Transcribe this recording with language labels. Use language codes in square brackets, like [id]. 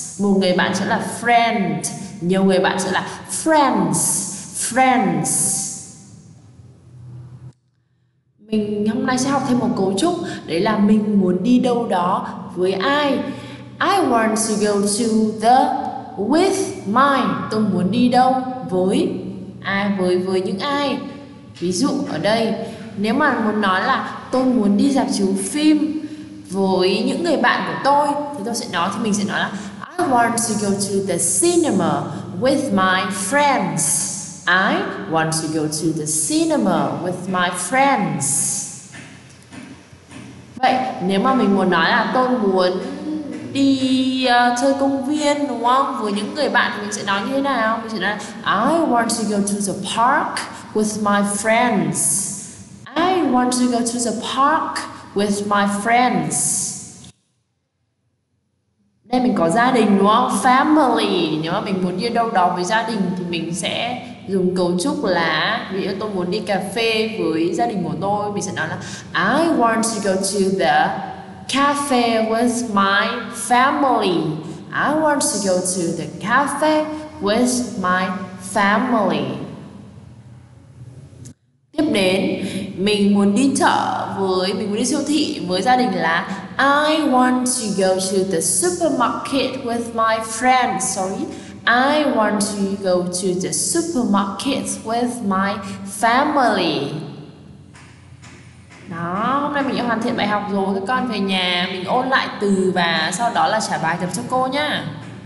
[vi] Một người bạn sẽ là friend, nhiều người bạn sẽ là friends. Mình hôm nay sẽ học thêm một cấu trúc, đấy là mình muốn đi đâu đó với ai. [en] I want to go to the with my. [vi] Tôi muốn đi đâu với ai, với những ai. Ví dụ ở đây, nếu mà muốn nói là tôi muốn đi rạp chiếu phim với những người bạn của tôi, thì tôi sẽ nói, thì mình sẽ nói là [en] I want to go to the cinema with my friends. I want to go to the cinema with my friends. [vi] Vậy nếu mà mình muốn nói là tôi muốn đi chơi công viên đúng không, với những người bạn, thì mình sẽ nói như thế nào? Mình sẽ nói [en] I want to go to the park with my friends. I want to go to the park with my friends. [vi] Đây mình có gia đình đúng không? Family. Nếu mà mình muốn đi đâu đó với gia đình thì mình sẽ dùng cấu trúc là, ví dụ tôi muốn đi cà phê với gia đình của tôi, mình sẽ nói là [en] I want to go to the cafe with my family. I want to go to the cafe with my family. [vi] Tiếp đến, mình muốn đi siêu thị với gia đình là [en] I want to go to the supermarket with my friends. I want to go to the supermarket with my family. [vi] Đó, hôm nay mình đã hoàn thiện bài học rồi, các con về nhà mình ôn lại từ và sau đó là trả bài tập cho cô nhá.